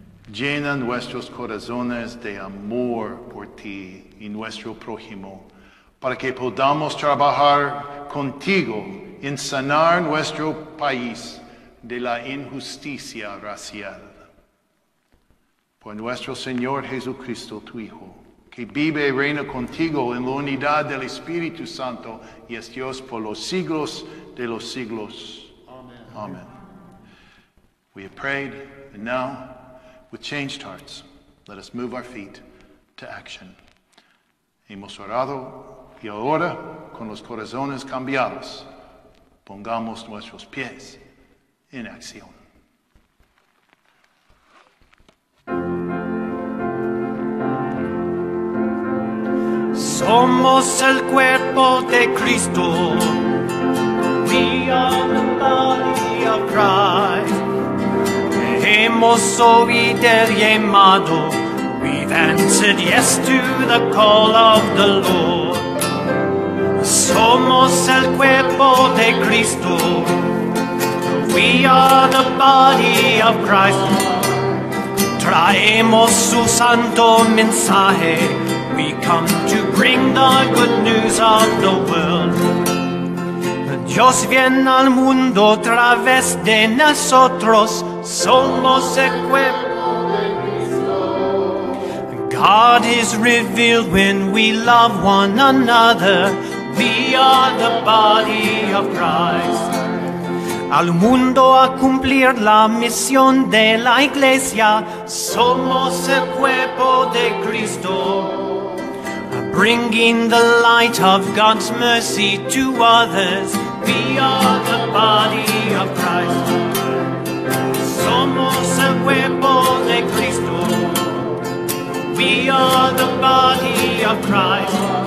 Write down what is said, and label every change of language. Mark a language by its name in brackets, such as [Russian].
[Spanish] Llena nuestros corazones de amor por ti y nuestro prójimo, para que podamos trabajar contigo en sanar nuestro país de la injusticia racial. Por nuestro Señor Jesucristo, tu Hijo, que vive y reina contigo en la unidad del Espíritu Santo y es Dios por los siglos de los siglos. Amen. Amen. [English] We have prayed, and now, with changed hearts, let us move our feet to action. [Spanish] Hemos orado, y ahora, con los corazones cambiados, pongamos nuestros pies en acción. Somos el cuerpo de Cristo. [English] We are the body of Christ. [Spanish] hermoso y derramado, [English] we've answered yes to the call of the Lord. [Spanish] Somos el cuerpo de Cristo, [English] we are the body of Christ. [Spanish] Traemos su santo mensaje, [English] we come to bring the good news of the world. [Spanish] Dios viene al mundo a través de nosotros, somos el cuerpo de Cristo. [English] God is revealed when we love one another, we are the body of Christ. [Spanish] Al mundo a cumplir la misión de la iglesia, somos el cuerpo de Cristo. [English] Bringing the light of God's mercy to others, we are the body of Christ. [Spanish] Somos el cuerpo de Cristo. [English] We are the body of Christ.